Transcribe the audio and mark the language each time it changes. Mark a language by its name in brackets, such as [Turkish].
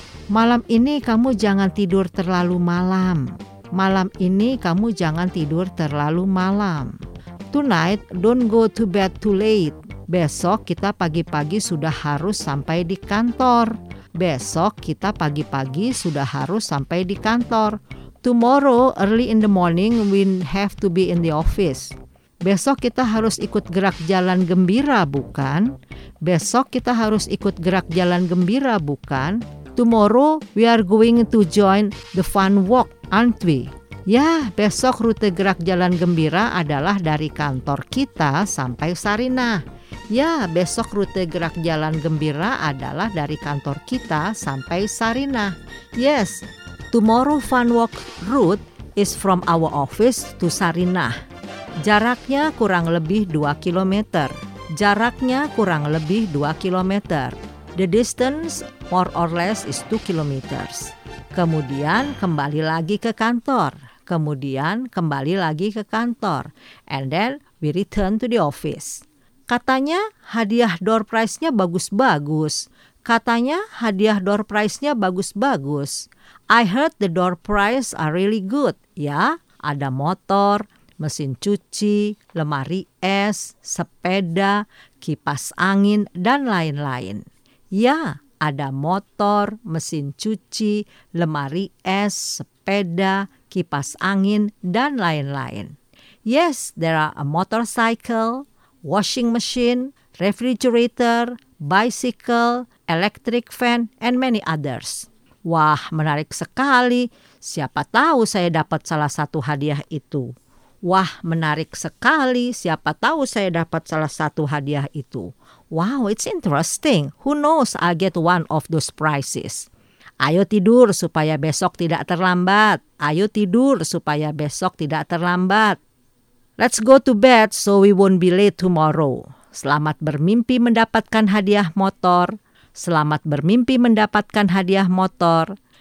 [Indonesian] Malam ini kamu jangan tidur terlalu malam. Malam ini kamu jangan tidur terlalu malam. [English] Tonight, don't go to bed too late. [Indonesian] Besok kita pagi-pagi sudah harus sampai di kantor. Besok kita pagi-pagi sudah harus sampai di kantor. [English] Tomorrow early in the morning we have to be in the office. [Indonesian] Besok kita harus ikut gerak jalan gembira, bukan? Besok kita harus ikut gerak jalan gembira, bukan? [English] Tomorrow we are going to join the fun walk, aren't we? [Indonesian] Yah, besok rute gerak jalan gembira adalah dari kantor kita sampai Sarinah. Ya, besok rute gerak jalan gembira adalah dari kantor kita sampai Sarinah. [English] Yes, tomorrow fun walk route is from our office to Sarinah. [Indonesian] Jaraknya kurang lebih 2 km. Jaraknya kurang lebih 2 km. [English] The distance more or less is 2 km. [Indonesian] Kemudian kembali lagi ke kantor. Kemudian kembali lagi ke kantor. [English] And then we return to the office. [Indonesian] Katanya hadiah door prize-nya bagus-bagus. Katanya hadiah door prize-nya bagus-bagus. [English] I heard the door prize are really good. [Indonesian] Ya, ada motor, mesin cuci, lemari es, sepeda, kipas angin, dan lain-lain. Ya, ada motor, mesin cuci, lemari es, sepeda, kipas angin, dan lain-lain. [English] Yes, there are a motorcycle, washing machine, refrigerator, bicycle, electric fan, and many others. [Indonesian] Wah, menarik sekali. Siapa tahu saya dapat salah satu hadiah itu. Wah, menarik sekali. Siapa tahu saya dapat salah satu hadiah itu. [English] Wow, it's interesting. Who knows I'll get one of those prizes. [Indonesian] Ayo tidur supaya besok tidak terlambat. Ayo tidur supaya besok tidak terlambat. [English] Let's go to bed so we won't be late tomorrow. [Indonesian] Selamat bermimpi mendapatkan hadiah motor. Selamat bermimpi mendapatkan hadiah motor.